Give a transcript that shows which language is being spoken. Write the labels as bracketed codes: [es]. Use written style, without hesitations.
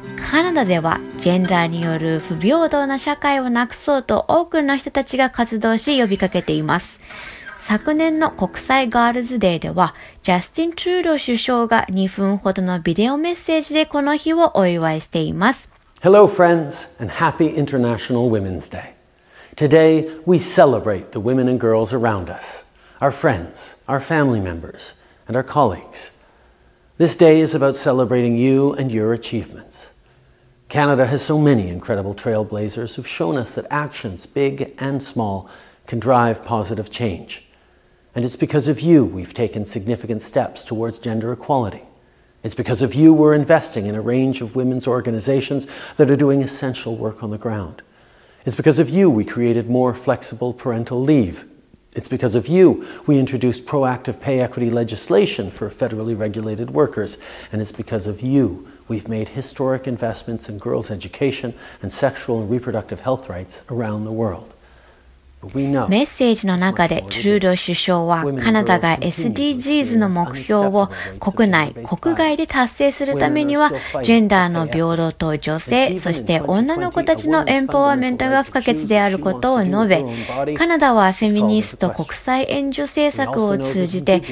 [ja] カナダではジェンダーによる不平等な社会をなくそうと多くの人たちが活動し呼びかけています。昨年の国際ガールズデーでは、ジャスティン・トゥルー首相が2分ほどのビデオメッセージでこの日をお祝いしています。 [en] Hello, friends, and happy International Women's Day. Today, we celebrate the women and girls around us, our friends, our family members, and our colleagues. This day is about celebrating you and your achievements. Canada has so many incredible trailblazers who've shown us that actions, big and small, can drive positive change. And it's because of you we've taken significant steps towards gender equality. It's because of you we're investing in a range of women's organizations that are doing essential work on the ground. It's because of you we created more flexible parental leave. It's because of you we introduced proactive pay equity legislation for federally regulated workers. And it's because of you we've made historic investments in girls' education and sexual and reproductive health rights around the world. [ja] メッセージの中でトゥルー首相は、カナダが SDGs の目標を国内、国外で達成するためには、ジェンダーの平等と女性、そして女の子たちのエンパワーメントが不可欠であることを述べ、カナダはフェミニスト国際援助政策を通じて